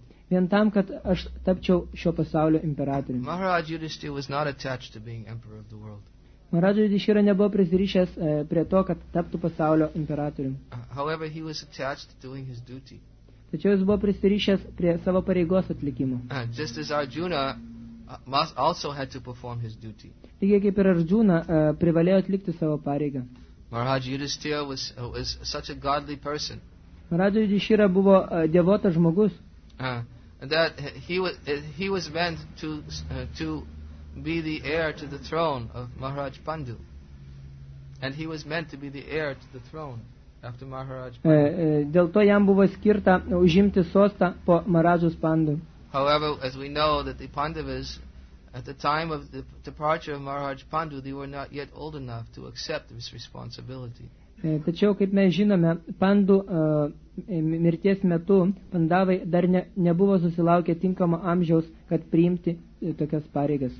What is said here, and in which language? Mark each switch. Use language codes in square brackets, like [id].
[lt] Vien tam, kad aš tapčiau šio pasaulio imperatoriumi. [en] Maharaja Yudhishthira was not attached to being emperor of the world. [lt] Maharaja Yudhishthira nebuvo prisirišęs prie to, kad taptų pasaulio imperatoriumi. [en] However, he was attached to doing his duty. [lt] Tačiau jis buvo prisirišęs prie savo pareigos atlikimo. [en] Just as Arjuna also had to perform his duty. [lt] Taigi kaip ir Arjuna privalėjo atlikti savo pareigą. [en] Maharaja Yudhishthira was such a godly person. [lt] Maharaja Yudhishthira buvo devotas žmogus. [en] That he was meant to be the heir to the throne of Maharaj Pandu. And he was meant to be the heir to the throne after Maharaj Pandu. [lt] Dėl to jam buvo skirta užimti sostą po Maharajos Pandu. [en] However, as we know that the Pandavas at the time of the departure of Maharaj Pandu, they were not yet old enough to accept this responsibility. [lt] Tačiau, kaip mes žinome, Pandu mirties metu Pandavai dar nebuvo susilaukę tinkamo amžiaus, kad priimti tokias pareigas.